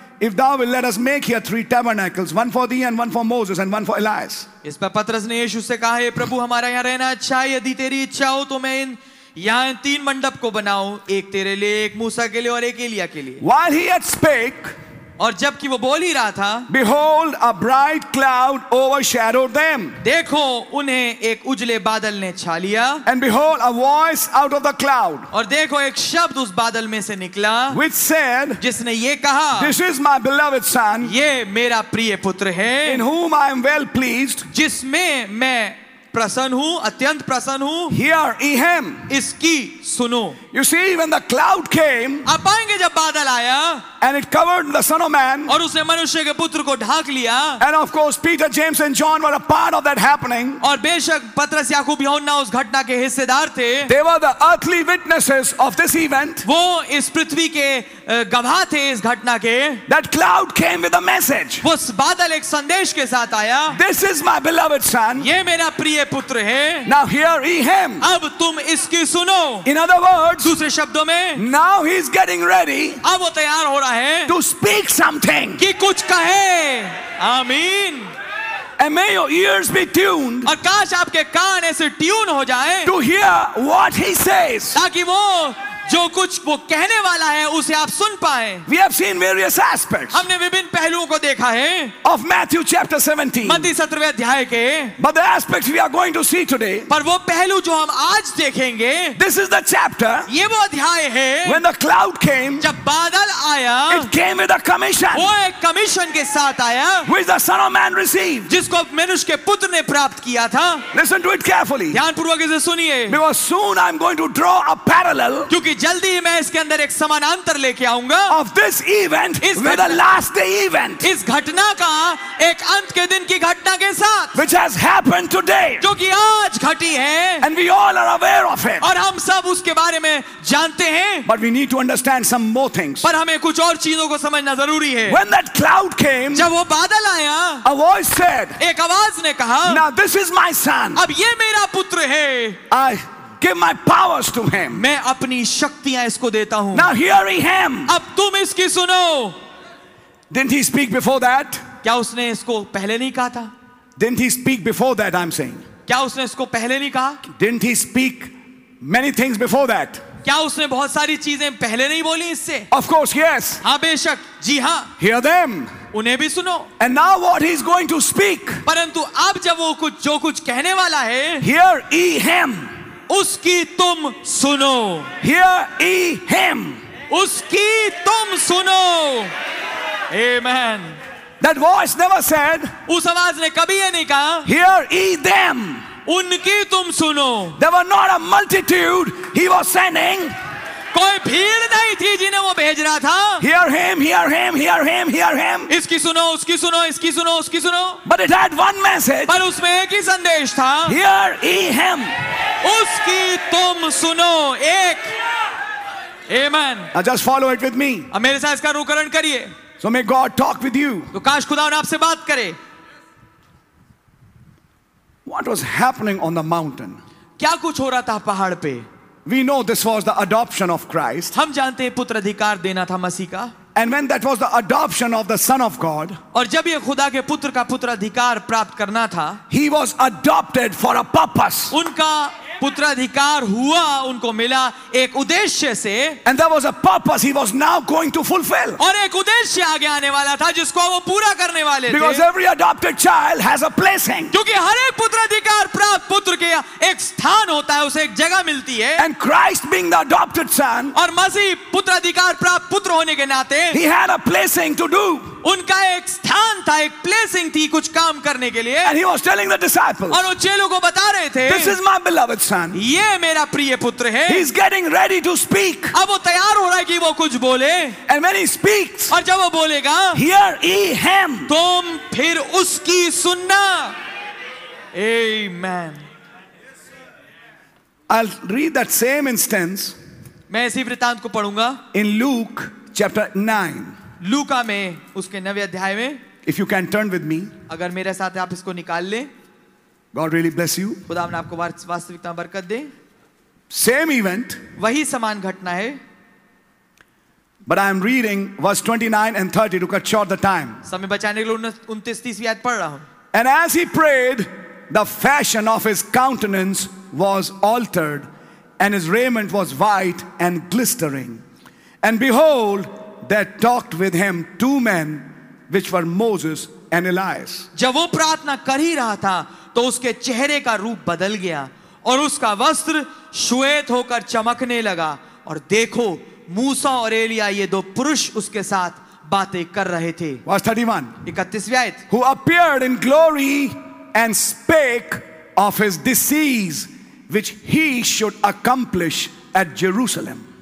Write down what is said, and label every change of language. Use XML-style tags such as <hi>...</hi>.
<en>If thou wilt let us make here 3 tabernacles, one for thee and one for Moses and one for Elias.</en> <hi>इस पर पत्रस ने यीशु से कहा, हे प्रभु, हमारा यहाँ रहना अच्छा है. यदि तेरी इच्छा हो तो मैं यहाँ 3 मंडप को बनाऊँ, एक तेरे लिए, एक मूसा के लिए और एक एलिया के लिए.</hi> <en>While he had spake,</en> <hi>और जबकि वो बोल ही रहा था,</hi> <en>behold, a bright cloud overshadowed them.</en> <hi>देखो उन्हें एक उजले बादल ने छा लिया.</hi> <en>And behold, a voice out of the cloud.</en> <hi>और देखो एक शब्द उस बादल में से निकला.</hi> <en>Which said,</en> <hi>जिसने ये कहा,</hi> <en>this is my beloved son.</en> <hi>ये मेरा प्रिय पुत्र है.</hi> <en>In whom I am well pleased.</en> <hi>जिसमें मैं प्रसन्न हूँ, अत्यंत प्रसन्न हूँ.</hi> <en>Hear him.</en> <hi>इसकी सुनो.</hi> <en>You see, when the cloud came,</en> <hi>आप पाएंगे जब बादल आया,</hi> <en>and it covered the son of man,</en> <hi>और उसने मनुष्य के पुत्र को ढाक लिया,</hi> <en>and of course Peter, James, and John were a part of that happening,</en> <hi>और बेशक पत्रस, याकूब, यूहन्ना उस घटना के हिस्सेदार थे.</hi> <en>They were the earthly witnesses of this event.</en> <hi>वो इस पृथ्वी के गवाह थे इस घटना के.</hi> <en>That cloud came with a message.</en> <hi>वो बादल एक संदेश के साथ आया.</hi> <en>This is my beloved son.</en> <hi>ये मेरा प्रिय पुत्र है.</hi> <en>Now hear him.</en> <hi>अब तुम इसकी सुनो.</hi> <en>In other words,</en> <hi>दूसरे शब्दों में,</hi> <en>Now he's getting ready.</en> <hi>अब वो तैयार हो रहा है.</hi> <en>To speak something.</en> <hi>कि कुछ कहे. आमीन.</hi> <en>And may your ears be tuned.</en> <hi>और काश आपके कान ऐसे ट्यून हो जाएं.</hi> <en>To hear what he says.</en> <hi>ताकि वो जो कुछ वो कहने वाला है उसे आप सुन पाए.</hi> <en>We have seen various aspects.</en> <hi>हमने विभिन्न पहलुओं को देखा है.</hi> <en>Of Matthew chapter 17.</en> <hi>मत्ती 17वें अध्याय के.</hi> <en>But the aspects we are going to see today.</en> <hi>पर वो पहलू जो हम आज देखेंगे.</hi> <en>This is the chapter.</en> <hi>ये वो अध्याय है.</hi> <en>When the cloud came.</en> <hi>जब बादल आया.</hi> <en>It came with a commission.</en> <hi>वो एक कमीशन के साथ आया.</hi> <en>Which the Son of Man received.</en> <hi>जिसको मनुष्य के पुत्र ने प्राप्त किया था.</hi> <en>Listen to it carefully.</en> <hi>ध्यान पूर्वक इसे सुनिए.</hi> <en>Because soon I'm going to draw a parallel.</en> <hi>क्योंकि जल्दी ही मैं इसके अंदर एक समानांतर लेके आऊंगा.</hi> <en>Of this event is the last day event.</en> <hi>इस घटना का एक अंत के दिन की घटना के साथ.</hi> <en>Which has happened today.</en> <hi>जो कि आज घटी है.</hi> <en>And we all are aware of it.</en> <hi>और हम सब उसके बारे में जानते हैं.</hi> <en>But we need to understand some more things.</en> <hi>पर हमें कुछ और चीजों को समझना जरूरी है.</hi> <en>When that cloud came.</en> <hi>जब वो बादल आया.</hi> <en>A voice said.</en> <hi>एक आवाज ने कहा.</hi> <en>Now this is my son.</en> <hi>अब ये मेरा पुत्र है.</hi> <en>I Give my powers to him.</en> <hi>मैं अपनी शक्तियां इसको देता हूं.</hi> <en>Now hearing him.</en> <hi>अब तुम इसकी सुनो.</hi> <en>Didn't he speak before that?</en> <hi>क्या उसने इसको पहले नहीं कहा था?</hi> <en>Didn't he speak before that? I'm saying.</en> <hi>क्या उसने इसको पहले नहीं कहा?</hi> <en>Didn't he speak many things before that?</en> <hi>क्या उसने बहुत सारी चीजें पहले नहीं बोली इससे?</hi> <en>Of course, yes.</en> <hi>हाँ, बेशक, जी हाँ.</hi> <en>Hear them.</en> <hi>उन्हें भी सुनो.</hi> <en>And now what he's going to speak?</en> <hi>परंतु अब जब वो कुछ जो कुछ कहने वाला है.</hi> <en>Hear ye him.</en> <hi>उसकी तुम सुनो.</hi> <en>Hear ye him.</en> <hi>उसकी तुम सुनो. Amen.</hi> <en>That voice never said.</en> <hi>उस आवाज ने कभी ये नहीं कहा.</hi> <en>Hear ye them.</en> <hi>उनकी तुम सुनो.</hi> <en>There were not a multitude he was sending.</en> <hi>कोई भीड़ नहीं थी जिन्हें वो भेज रहा था.</hi> <en>Hear him, hear him, hear him, hear him.</en> <hi>इसकी सुनो, उसकी सुनो, इसकी सुनो, उसकी सुनो.</hi> <en>But it had one message.</en> <hi>पर उसमें एक ही संदेश था.</hi> <en>Hear ye him.</en> <hi>उसकी तुम सुनो. एक. Amen.</hi> <en>Now just follow it with me.</en> <hi>अब मेरे साथ इसका अनुकरण करिए.</hi> <en>So may God talk with you.</en> <hi>तो काश खुदा ने आपसे बात करे.</hi> <en>What was happening on the mountain?</en> <hi>क्या कुछ हो रहा था पहाड़ पे?</hi> <en>We know this was the adoption of Christ.</en> <hi>हम जानते हैं पुत्र अधिकार देना था मसीह का.</hi> <en>And when that was the adoption of the Son of God.</en> <hi>और जब ये खुदा के पुत्र का पुत्र अधिकार प्राप्त करना था.</hi> <en>He was adopted for a purpose.</en> <hi>उनका पुत्र अधिकार हुआ, उनको मिला एक उद्देश्य से.</hi> <en>And there was a purpose he was now going to fulfill.</en> <hi>और एक उद्देश्य आगे आने वाला था जिसको वो पूरा करने वाले थे.</hi> <en>Because every adopted child has a placing.</en> <hi>क्योंकि हर एक पुत्र अधिकार प्राप्त पुत्र के एक स्थान होता है, उसे एक जगह मिलती है.</hi> <en>And Christ being the adopted son.</en> <hi>और मसीह पुत्र अधिकार प्राप्त पुत्र होने के नाते.</hi> <en>He had a placing to do.</en> <hi>उनका एक स्थान था, एक प्लेसिंग थी कुछ काम करने के लिए.</hi> <en>And he was telling the disciples.</en> <hi>और वो चेलों को बता रहे थे.</hi> <en>This is my beloved son.</en> <hi>ये मेरा प्रिय पुत्र है.</hi> <en>He is getting ready to speak.</en> <hi>अब वो तैयार हो रहा है कि वो कुछ बोले.</hi> <en>And when he speaks.</en> <hi>और जब वो बोलेगा.</hi> <en>Hear ye him.</en> <hi>तुम फिर उसकी सुनना. Amen.</hi> <en>I'll read that same instance.</en> <hi>मैं इसी वृतांत को पढ़ूंगा.</hi> <en>In Luke chapter 9.</en> <hi>लूका में उसके नवे अध्याय में.</hi> <en>If you can turn with me.</en> <hi>अगर मेरे साथ आप इसको निकाल लें.</hi> <en>God really bless you.</en> <hi>खुदा ने आपको वास्तविकता बरकत दे.</hi> <en>Same event.</en> <hi>वही समान घटना है.</hi> <en>But I am reading verse 29 and 30. Look at short the time.</en> <hi>समय बचाने के लिए 29-30 याद पढ़ रहा हूं.</hi> <en>And as he prayed the fashion of his countenance was altered and his raiment was white and glistering and behold That talked with him two men, which were Moses and Elias.</en> <hi>जब वो प्रार्थना कर ही रहा था, तो उसके चेहरे का रूप बदल गया और उसका वस्त्र श्वेत होकर चमकने लगा और देखो मूसा और एलिया ये दो पुरुष उसके साथ बातें कर रहे थे.</hi> <en>Verse 31.</en> <hi>31वीं आयत.</hi> <en>Who appeared in glory and spake of his decease, which he should accomplish at Jerusalem.</en>